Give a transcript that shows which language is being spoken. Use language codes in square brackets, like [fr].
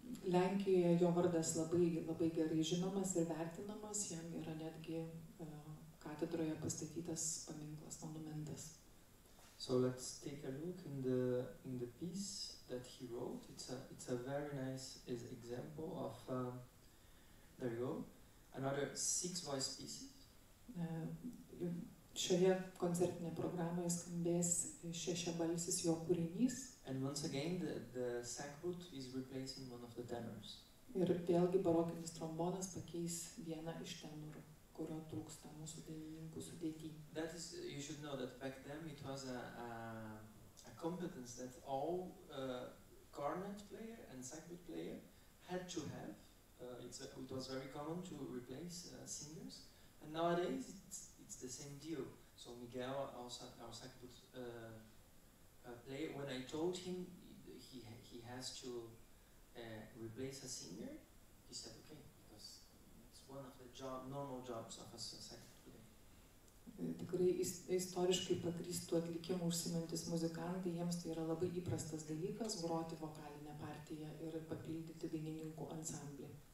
[lt] Lenkijoje jo vardas labai labai gerai žinomas ir vertinamas, jam yra netgi katedroje pastatytas paminklas, monumentas. [en] So let's take a look in the piece that he wrote. It's a very nice example of there you go, another six voice pieces. [lt] Šioje koncertinėje programoje skambės šešiabalsis jo kūrinys. [en] And once again the sackbut is replacing one of the tenors. [lt] Ir vėlgi barokinis trombonas pakeis vieną iš tenorų, kurio trūksta mūsų dainininkų sudėtyje. [en] That is, you should know that back then it was a competence that all cornet player and sackbut player had to have. It was very common to replace singers, and nowadays it's the same deal. So Miguel, our sackbut player, when I told him he has to replace a singer, he said okay, because it's one of the normal jobs of a sackbut player. [lt] Tikrai istoriškai pagrįstų atlikimų užsimantys muzikantai, jiems tai yra labai įprastas dalykas, groti vokalinę partiją ir papildyti dainininkų ansamblį.